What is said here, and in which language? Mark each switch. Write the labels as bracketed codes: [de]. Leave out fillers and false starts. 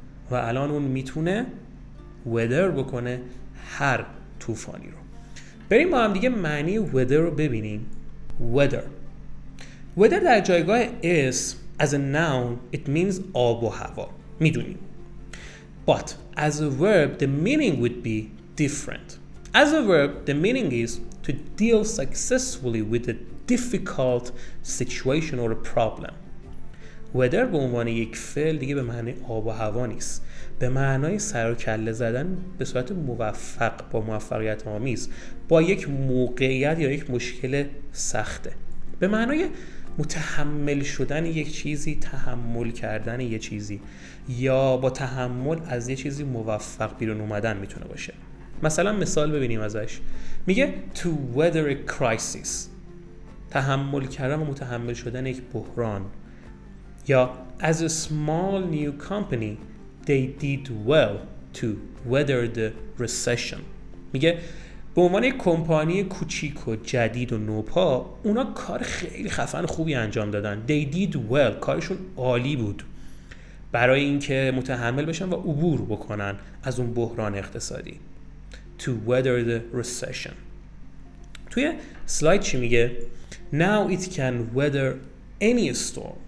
[fa] و الان اون میتونه weather بکنه هر طوفانی رو. بریم با هم دیگه معنی weather رو ببینیم. Weather. Weather در جایگاه اسم [en] as a noun it means [fa] آب و هوا. میدونیم. [en] But as a verb the meaning would be different. As a verb the meaning is to deal successfully with a difficult situation or a problem. [fa] Weather به عنوان یک فعل دیگه به معنی آب و هوا نیست. به معنای سر و کله زدن به صورت موفق با موفقیت آمیز با یک موقعیت یا یک مشکل سخته. به معنای متحمل شدن یک چیزی، تحمل کردن یک چیزی یا با تحمل از یک چیزی موفق بیرون اومدن میتونه باشه. مثلا مثال ببینیم ازش. میگه [en] to weather a crisis، [fa] تحمل کردن و متحمل شدن یک بحران. [en] یا as a small new company they did well to weather the recession. [fa] میگه به عنوان یک کمپانی کوچیک و جدید و نوپا اونا کار خیلی خفن خوبی انجام دادن. [en] they did well، [fa] کارشون عالی بود برای اینکه متحمل بشن و عبور بکنن از اون بحران اقتصادی. [en] to weather the recession. [fa] توی سلاید چی میگه؟ [en] now it can weather any storm.